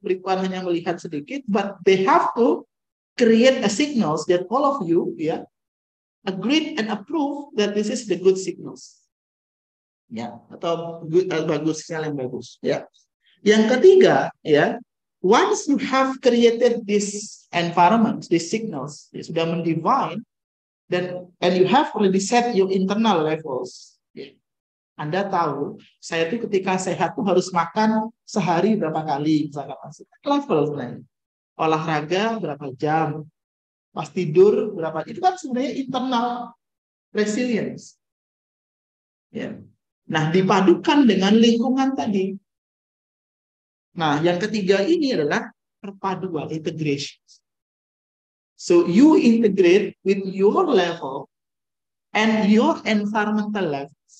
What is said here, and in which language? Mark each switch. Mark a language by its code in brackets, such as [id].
[id] Berikan hanya melihat sedikit, [en] but they have to create a signals that all of you, yeah, agreed and approve that this is the good signals. Ya, yeah. [id] Atau good, bagus, sinyal yang bagus. Ya. Yeah. [en] Yang ketiga, ya, yeah, once you have created this environment, this signals, yeah, [id] sudah mendefine, [en] then and you have already set your internal levels. [id] Yeah. Anda tahu, saya itu ketika sehat tuh harus makan sehari berapa kali, misalkan masuk level sebenarnya. Olahraga berapa jam, pas tidur berapa, itu kan sebenarnya internal resilience. Ya. Nah, dipadukan dengan lingkungan tadi. Nah, yang ketiga ini adalah perpaduan, integration. [en] So, you integrate with your level and your environmental levels.